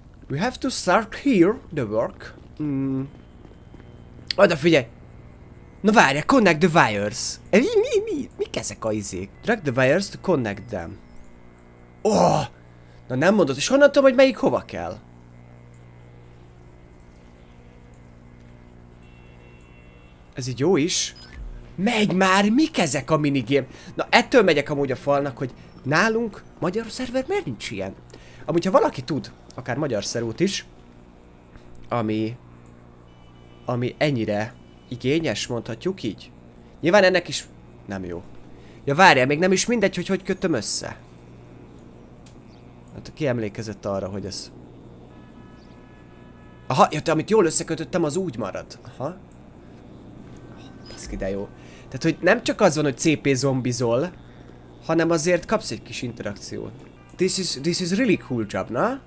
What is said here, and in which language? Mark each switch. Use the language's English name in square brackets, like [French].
[English] We have to start here the work. [Hungarian] Oda figyelj! Na várj, [English] connect the wires. [Hungarian] Mi ezek a izék? [English] Drag the wires to connect them. Oh! [Hungarian] Na nem mondod, és honnan tudom, hogy melyik hova kell? Ez így jó is. Megy már, mik ezek a minigame? Na ettől megyek amúgy a falnak, hogy nálunk magyar szerver miért nincs ilyen? Amúgy ha valaki tud, akár magyar szerút is, ami ennyire igényes, mondhatjuk így. Nyilván ennek is nem jó. Ja várjál, még nem is mindegy, hogy kötöm össze. Hát ki emlékezett arra, hogy ez... Aha, ja te amit jól összekötöttem, az úgy marad. Aha. Baszki, de jó. Tehát, hogy nem csak az van, hogy CP zombizol, hanem azért kapsz egy kis interakciót. [English] This is really cool job, na?